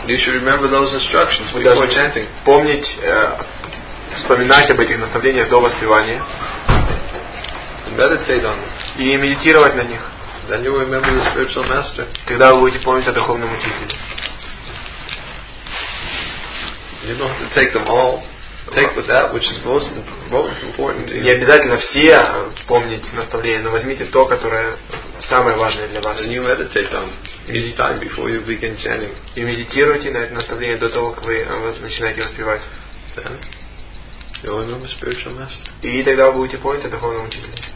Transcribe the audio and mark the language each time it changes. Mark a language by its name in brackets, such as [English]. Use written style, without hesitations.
[English] You should remember those instructions before chanting. [Russian] Помнить, вспоминать об этих наставлениях до воспевания. [English] Meditate on them. [Russian] И медитировать на них. [English] Then you will remember the spiritual master. [Russian] Тогда вы будете помнить о духовном учителе. [English] You don't have to take them all. Take with that which is most important to you. [Russian] Не обязательно все помнить наставления, но возьмите то, которое самое важное для вас. [English] And you meditate on each time before you begin chanting. [Russian] И медитируйте на это наставление до того, как вы начинаете воспевать. [English] Then you will remember spiritual master. [Russian] И тогда вы будете помнить о духовном учителе.